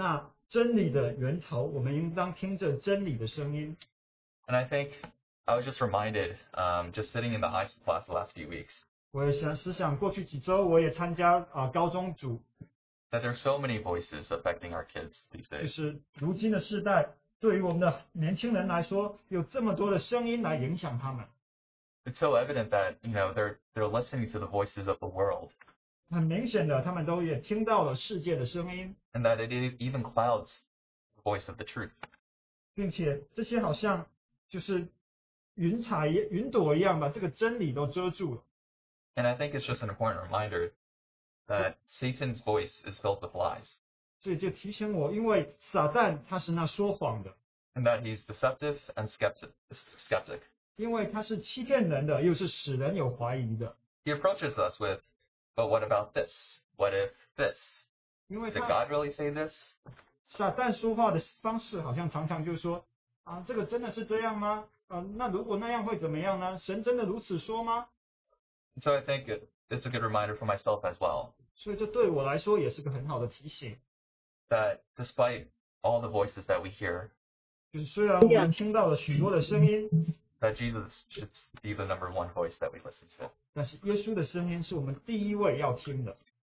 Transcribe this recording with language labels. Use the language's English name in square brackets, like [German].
[Chinese] 但是很最重要的呢,是神,是那真理的源头, 我们应当听着真理的声音。 [English] And I think I was just reminded, just sitting in the high school class the last few weeks, [Chinese] 我也想思想过去几周，我也参加高中组。 [English] That there are so many voices affecting our kids these days. [Chinese] 就是如今的世代，对于我们的年轻人来说，有这么多的声音来影响他们。 [English] It's so evident that, you know, they're listening to the voices of the world. [Chinese] 很明显的，他们都也听到了世界的声音。 [English] And that it even clouds the voice of the truth. [Chinese] 并且这些好像就是云彩云朵一样把这个真理都遮住了。 [English] And I think it's just an important reminder that Satan's voice is filled with lies. And and that he's deceptive and skeptic. [Chinese] 因为他是欺骗人的, [English] he approaches us with, but what about this? What if this? [Chinese] 因为他, [English] did God really say this? [Chinese] 撒旦说话的方式好像常常就是说, 啊, 这个真的是这样吗? 啊, 那如果那样会怎么样呢? 神真的如此说吗? [English] So I think it's a good reminder for myself as well. [Chinese] 所以这对我来说也是个很好的提醒, [English] that despite all the voices that we hear, [Chinese] 就是虽然我们听到了许多的声音, [English] that Jesus should be the number one voice that we listen to. [Chinese] 但是耶稣的声音是我们第一位要听的。